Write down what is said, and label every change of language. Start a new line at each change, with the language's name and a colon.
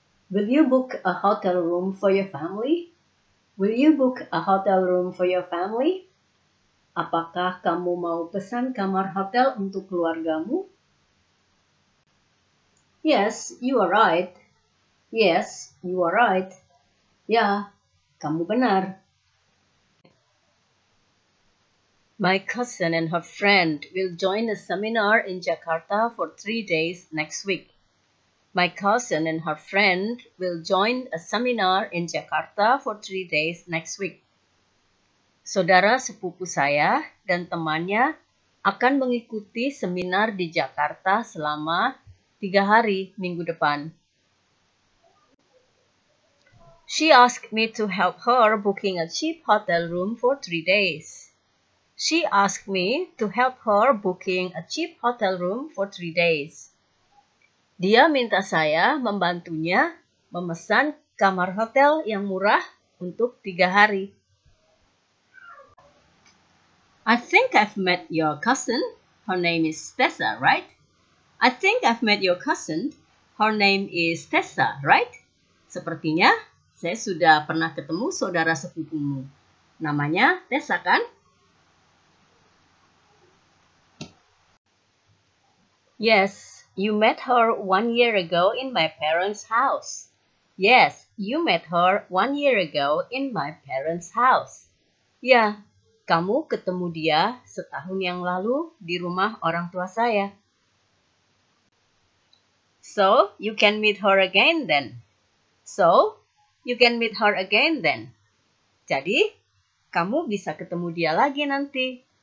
English: Will you book a hotel room for your family? Will you book a hotel room for your family?
Indonesian: Apakah kamu mau pesan kamar hotel untuk keluargamu?
English: Yes, you are right. Yes, you are right.
Indonesian: Ya, kamu benar.
English: My cousin and her friend will join a seminar in Jakarta for 3 days next week. My cousin and her friend will join a seminar in Jakarta for 3 days next week.
Indonesian: Saudara sepupu saya dan temannya akan mengikuti seminar di Jakarta selama 3 hari minggu depan.
English: She asked me to help her booking a cheap hotel room for 3 days. She asked me to help her booking a cheap hotel room for 3 days.
Indonesian: Dia minta saya membantunya memesan kamar hotel yang murah untuk 3 hari.
English: I think I've met your cousin. Her name is Tessa, right? I think I've met your cousin. Her name is Tessa, right?
Indonesian: Sepertinya saya sudah pernah ketemu saudara sepupumu. Namanya Tessa, kan?
English: Yes, you met her 1 year ago in my parents' house. Yes, you met her 1 year ago in my parents' house.
Indonesian: Ya, kamu ketemu dia setahun yang lalu di rumah orang tua saya.
English: So, you can meet her again then. So, you can meet her again then.
Indonesian: Jadi, kamu bisa ketemu dia lagi nanti.